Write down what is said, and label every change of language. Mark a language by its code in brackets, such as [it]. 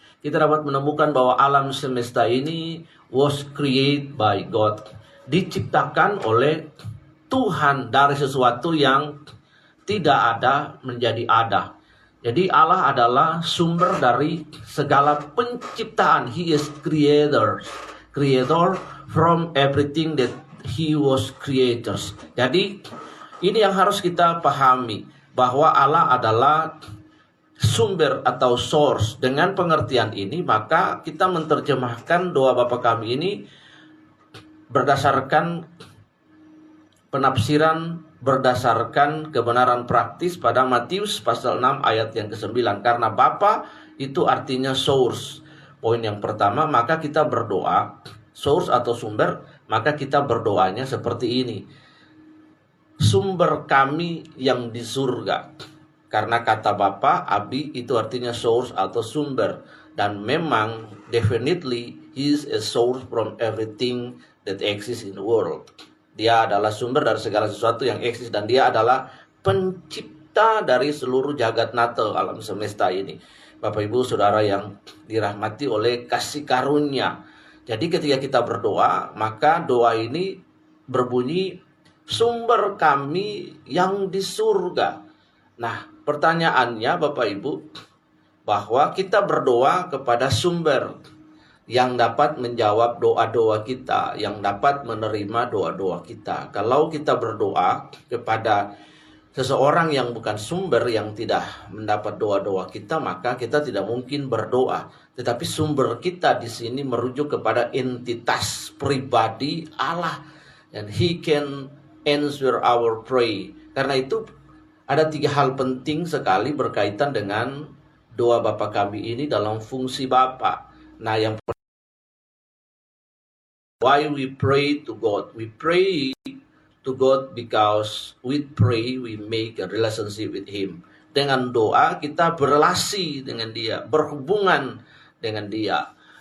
[id] Kita dapat menemukan bahwa alam semesta ini [en] was created by God. [id] Diciptakan oleh Tuhan dari sesuatu yang tidak ada menjadi ada. Jadi Allah adalah sumber dari segala penciptaan. [en] He is creator. Creator from everything that he was creators. [id] Jadi ini yang harus kita pahami, bahwa Allah adalah sumber atau source. Dengan pengertian ini, maka kita menerjemahkan doa Bapa Kami ini berdasarkan penafsiran, berdasarkan kebenaran praktis pada Matius pasal 6 ayat yang ke-9. Karena Bapa itu artinya source. Poin yang pertama, maka kita berdoa source atau sumber, maka kita berdoanya seperti ini. Sumber kami yang di surga. Karena kata Bapa, Abi itu artinya source atau sumber. Dan memang [en] definitely he is a source from everything that exists in the world. [id] Dia adalah sumber dari segala sesuatu yang eksis, dan dia adalah pencipta dari seluruh jagat natal alam semesta ini. Bapak Ibu Saudara yang dirahmati oleh kasih karunia. Jadi ketika kita berdoa, maka doa ini berbunyi, sumber kami yang di surga. Nah, pertanyaannya Bapak Ibu, bahwa kita berdoa kepada sumber yang dapat menjawab doa-doa kita, yang dapat menerima doa-doa kita. Kalau kita berdoa kepada seseorang yang bukan sumber, yang tidak mendapat doa-doa kita, maka kita tidak mungkin berdoa. Tetapi sumber kita di sini merujuk kepada entitas pribadi Allah. [en] And he can answer our prayer. [id] Karena itu ada tiga hal penting sekali berkaitan dengan doa Bapa Kami ini dalam fungsi Bapa. Nah, yang [en] why we pray to God? We pray to God because with prayer we make a relationship with him. [id] Dengan doa kita berrelasi dengan dia, berhubungan dengan dia.